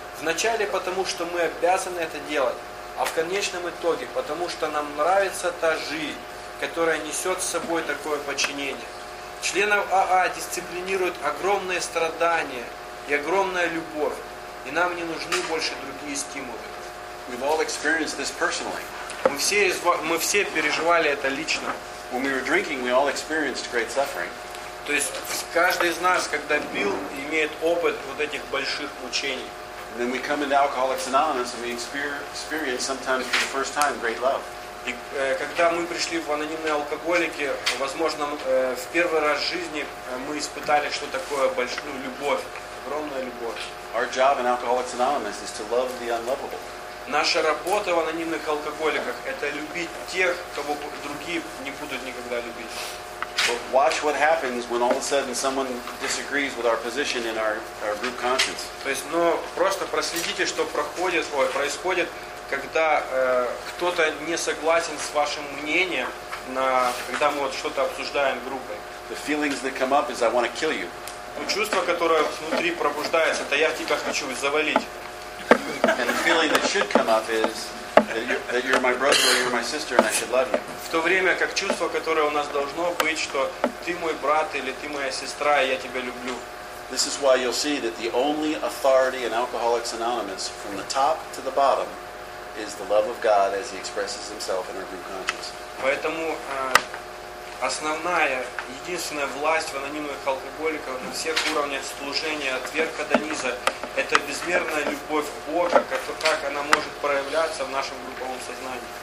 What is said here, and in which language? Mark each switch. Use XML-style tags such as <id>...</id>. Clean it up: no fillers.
<ru>Вначале потому, что мы обязаны это делать, а в конечном итоге, потому что нам нравится та жизнь, которая несет с собой такое подчинение. Членов АА дисциплинируют огромные страдания и огромная любовь, и нам не нужны больше другие стимулы.</ru> <en>We've all experienced this personally.</en> <ru>Мы все переживали это лично.</ru> <en>When we were drinking, we all experienced great suffering.</en> <ru>То есть каждый из нас, когда пил, имеет опыт вот этих больших мучений.</ru> <en>And then we come into Alcoholics Anonymous and we experience sometimes for the first time great love.</en> <ru>И когда мы пришли в анонимные алкоголики, возможно, в первый раз в жизни мы испытали, что такое большую любовь, огромная любовь.</ru> <en>Our job in Alcoholics Anonymous is to love the unlovable.</en> <ru>Наша работа в анонимных алкоголиках – это любить тех, кого другие не будут никогда любить.</ru> <en>But watch what happens when all of a sudden someone disagrees with our position in our group conscience.</en> <ru>То есть, но просто проследите, что происходит, когда кто-то не согласен с вашим мнением, когда мы вот что-то обсуждаем группой.</ru> <en>The feelings that come up is I want to kill you.</en> <ru>чувство, которое внутри пробуждается, это я тебя хочу завалить.</ru> <en>And the feeling that should come up is that you're my brother or you're my sister and I should love you.</en> <ru>В то время как чувство, которое у нас должно быть, что ты мой брат или ты моя сестра, и я тебя люблю.</ru> <en>This is why you'll see that the only authority in Alcoholics Anonymous from the top to the bottom is the love of God as he expresses himself in our group conscience.</en> <ru>Поэтому основная, единственная власть в анонимных алкоголиках на всех уровнях служения от верха до низа – это безмерная любовь Бога, как она может проявляться в нашем групповом сознании.</ru>